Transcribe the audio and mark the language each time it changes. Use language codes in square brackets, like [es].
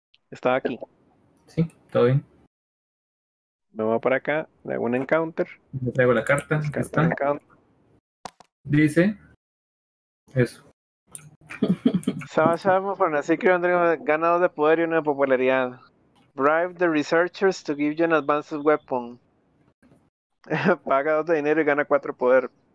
[es] Estaba aquí. Sí, todo bien. Me voy para acá, le hago un encounter. Le traigo la carta. Está. Dice eso. Sabemos por así que André ganado de poder y una popularidad. [en] Bribe the researchers to give you an advanced weapon. [es] Paga dos de dinero y gana cuatro poder.